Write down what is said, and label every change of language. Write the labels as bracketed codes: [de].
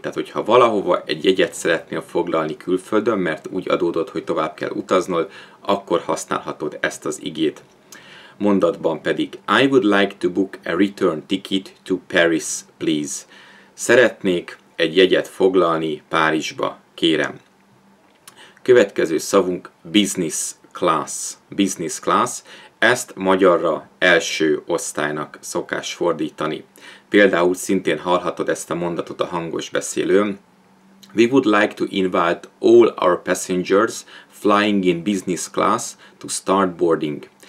[hu] Tehát, hogyha valahova egy jegyet szeretnél foglalni külföldön, mert úgy adódott, hogy tovább kell utaznod, akkor használhatod ezt az igét. Mondatban pedig: [en] I would like to book a return ticket to Paris, please. [hu] Szeretnék egy jegyet foglalni Párizsba, kérem. Következő szavunk: business class. Ezt magyarra első osztálynak szokás fordítani. Például szintén hallhatod ezt a mondatot a hangos beszélőn: [en] We would like to invite all our passengers flying in business class to start boarding.